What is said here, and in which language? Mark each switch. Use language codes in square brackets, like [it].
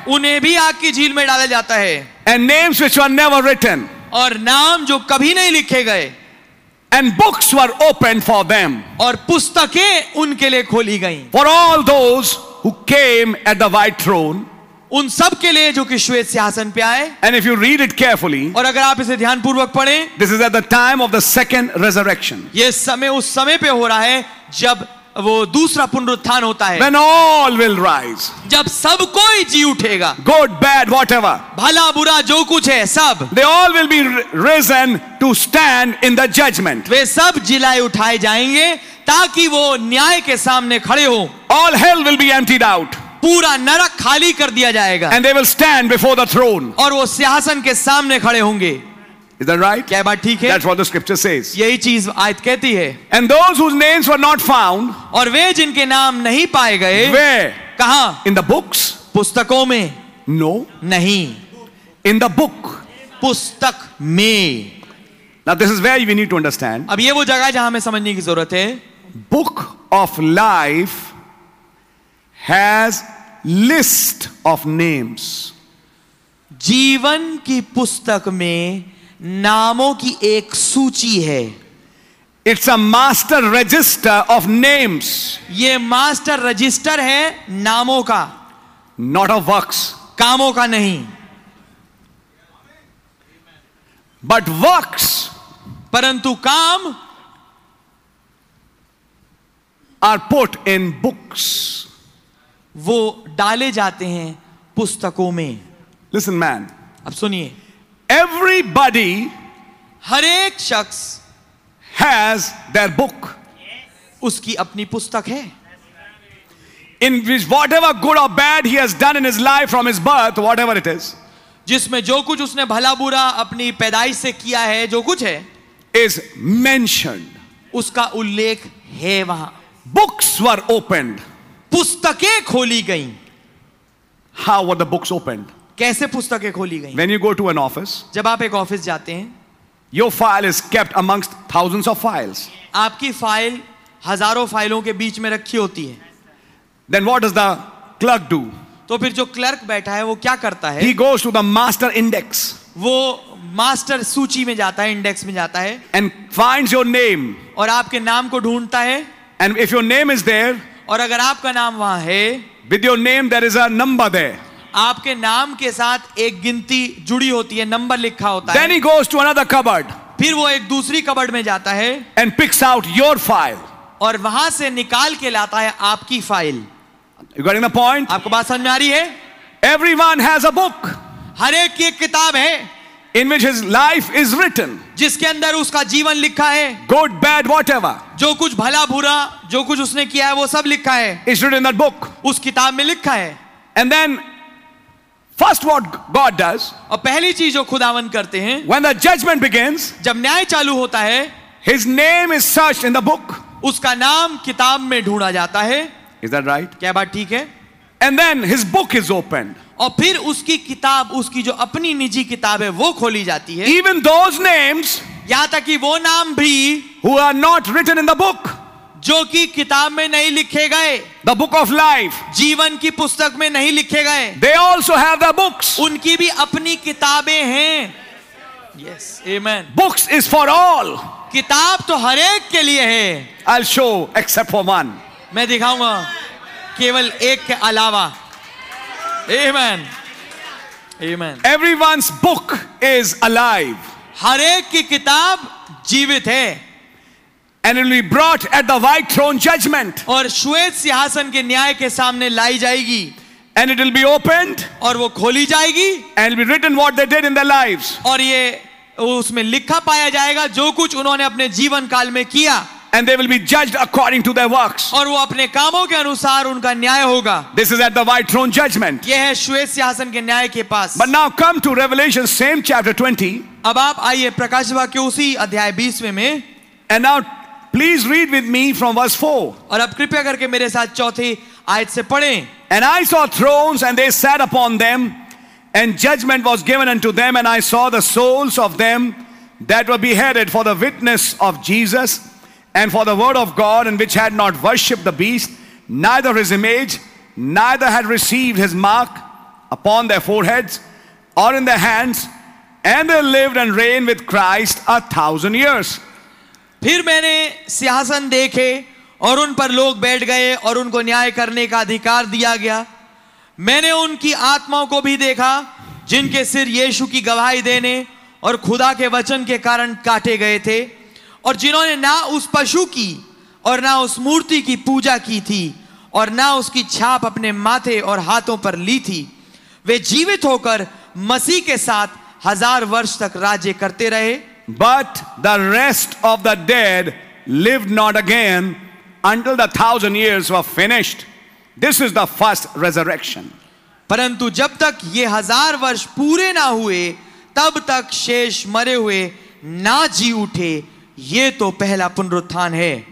[hi] उन्हें भी आग की झील में डाला जाता है. [en] And names which were never written. [hi] और नाम जो कभी नहीं लिखे गए. [en] And books were opened for them. [hi] और पुस्तकें उनके लिए खोली गईं. [en] For all those who came at the white throne. [hi] उन सब के लिए जो कि श्वेत सिंहासन पे आए. [en] And if you read it carefully, [hi] और अगर आप इसे ध्यानपूर्वक पढ़ें, [en] this is at the time of the second resurrection. [hi] ये समय उस समय पे हो रहा है जब वो दूसरा पुनरुत्थान होता है. [en] When all will rise. [hi] जब सब कोई जी उठेगा. [en] Good, bad, whatever. [hi] भला बुरा जो कुछ है सब. [en] They all will be risen to stand in the judgment. [hi] वे सब जिलाए उठाए जाएंगे ताकि वो न्याय के सामने खड़े हो. [en] All hell will be emptied out. [hi] पूरा नरक खाली कर दिया जाएगा. [en] And they will stand before the throne. [hi] और वो सिंहासन के सामने खड़े होंगे. [en] Is that right? [hi] क्या बात ठीक है? [en] That's what the scripture says. [hi] यही चीज आयत कहती है. [en] And those whose names were not found. [hi] और वे जिनके नाम नहीं पाए गए. [en] Where? [hi] कहाँ? [en] In the books. [hi] पुस्तकों में. [en] No. [hi] नहीं. [en] In the book. [hi] पुस्तक में. [en] Now this is where we need to understand. [hi] अब ये वो जगह है जहाँ हमें समझने की ज़रूरत है. [en] Book of life has list of names. [hi] जीवन की पुस्तक में नामों की एक सूची है. [en] It's a master register of names. [hi] ये master register है नामों का. [en] Not of works. [hi] कामों का नहीं. [en] But works. [hi] परंतु काम. [en] Are put in books. [hi] वो डाले जाते हैं पुस्तकों में. [en] Listen man. [hi] अब सुनिए. [en] Everybody, [hi] हर एक शख्स [en] has their book. [hi] उसकी अपनी पुस्तक है. [en] In which whatever good or bad he has done in his life from his birth, whatever it is, [hi] जिसमें जो कुछ उसने भला बुरा अपनी पैदाइश से किया है, जो कुछ है, [en] is mentioned. [hi] उसका उल्लेख है वहां. [en] Books were opened. [hi] पुस्तकें खोली गईं. [en] How were the books opened? [hi] कैसे पुस्तकें खोली गईं? [en] When you go to an office, [hi] जब आप एक ऑफिस जाते हैं, [en] your file is kept amongst thousands of files. [hi] आपकी फाइल हजारों फाइलों के बीच में रखी होती है. [en] Then what does the clerk do? [hi] तो फिर जो क्लर्क बैठा है वो क्या करता है? [en] He goes to the master index. [hi] वो मास्टर सूची में जाता है, इंडेक्स में जाता है. [en] And finds your name. [hi] और आपके नाम को ढूंढता है. [en] And if your name is there, [hi] और अगर आपका नाम वहां है, [en] with your name there is a number there. [hi] आपके नाम के साथ एक गिनती जुड़ी होती है, नंबर लिखा होता [en] है. Then he goes to another cupboard. [hi] फिर वो एक दूसरी कबर्ड में जाता है. [en] And picks out your file. [hi] और वहां से निकाल के लाता है आपकी file. [en] You getting the point? [hi] आपको बात समझ में आ रही है? [en] Everyone has a book. [hi] हर एक की एक किताब है. [en] In which his life is written. [hi] जिसके अंदर उसका जीवन लिखा है. [en] Good, bad, whatever. [hi] जो कुछ भला बुरा, जो कुछ उसने किया है, वो सब लिखा है. [en] It's written in that book. [hi] उस किताब में लिखा है. [en] And then, first, what God does? [hi] और पहली चीज़ जो खुदावन करते हैं. [en] When the judgment begins. [hi] जब न्याय चालू होता है. [en] His name is searched in the book. [hi] उसका नाम किताब में ढूंढा जाता है. [en] Is that right? [hi] क्या बात ठीक है? [en] And then his book is opened. [hi] और फिर उसकी किताब, उसकी जो अपनी निजी किताब है, वो खोली जाती है. [en] Even those names, [hi] या तक कि वो नाम भी, [en] who are not written in the book, [hi] जो कि किताब में नहीं लिखे गए, [en] the book of life, [hi] जीवन की पुस्तक में नहीं लिखे गए, [en] they also have the books, [hi] उनकी भी अपनी किताबें हैं. [en] Yes, amen. Books is for all. [hi] किताब तो हर एक के लिए है. [en] I'll show except for one. [hi] मैं दिखाऊंगा केवल एक के अलावा. [en] Amen. Amen. Everyone's book is alive. [hi] हर एक की किताब जीवित है. [en] And it will be brought at the white throne judgment. [hi] और श्वेत सिंहासन के न्याय के सामने लाई जाएगी. [en] And it will be opened. [hi] और वो खोली जाएगी. [en] And it will be written what they did in their lives. [hi] और ये उसमें लिखा पाया जाएगा जो कुछ उन्होंने अपने जीवन काल में किया. [en] And they will be judged according to their works. [hi] और वो अपने कामों के अनुसार उनका न्याय होगा. [en] This is at the white throne judgment. [hi] ये है श्वेत सिंहासन के न्याय के पास. [en] But now come to Revelation same chapter 20. [hi] अब आप आइए प्रकाश वाक्य उसी अध्याय 20 में. [en] And now please read with me from verse 4. [hi] और अब कृपया करके मेरे साथ चौथी आयत से पढ़ें. [en] And I saw thrones and they sat upon them, and judgment was given unto them, and I saw the souls of them that were beheaded for the witness of Jesus and for the word of God, and which had not worshipped the beast, neither his image, neither had received his mark upon their foreheads or in their hands, and they lived and reigned with Christ 1,000 years. [hi] फिर मैंने सिंहासन देखे और उन पर लोग बैठ गए और उनको न्याय करने का अधिकार दिया गया. मैंने उनकी आत्माओं को भी देखा जिनके सिर यीशु की गवाही देने और खुदा के वचन के कारण काटे गए थे, और जिन्होंने ना उस पशु की और ना उस मूर्ति की पूजा की थी और ना उसकी छाप अपने माथे और हाथों पर ली थी. वे जीवित होकर मसीह के साथ 1,000 वर्ष तक राज्य करते रहे. [en] But the rest of the dead lived not again until the 1,000 years were finished. This is the first resurrection. [hi] परंतु जब तक ये 1,000 वर्ष पूरे ना हुए, तब तक शेष मरे हुए ना जी उठे, ये तो पहला पुनरुत्थान है.